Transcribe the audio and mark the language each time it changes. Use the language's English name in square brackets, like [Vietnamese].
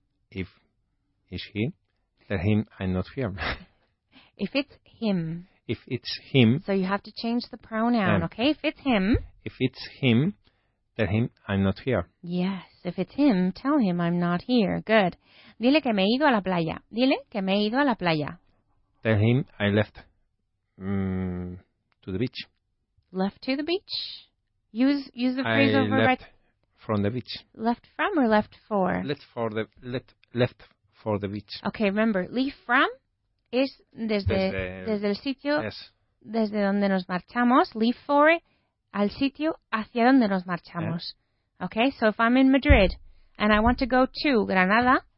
[English] If it's him, tell him I'm not here. If it's him. If it's him. So you have to change the pronoun, okay? If it's him. If it's him, tell him I'm not here. Yes, if it's him, tell him I'm not here. Good. [Spanish] Dile que me he ido a la playa. Dile que me he ido a la playa. [English] Tell him I left to the beach. Left to the beach? Use the phrase I over left right. From the beach. Left from or left for? Left for the beach. Okay, remember, leave from is [Spanish] desde el sitio, [English] yes. [Spanish] desde donde nos marchamos. [English] Leave for [Spanish] al sitio hacia donde nos marchamos. [English] Yes. Okay, so if I'm in Madrid and I want to go to Granada,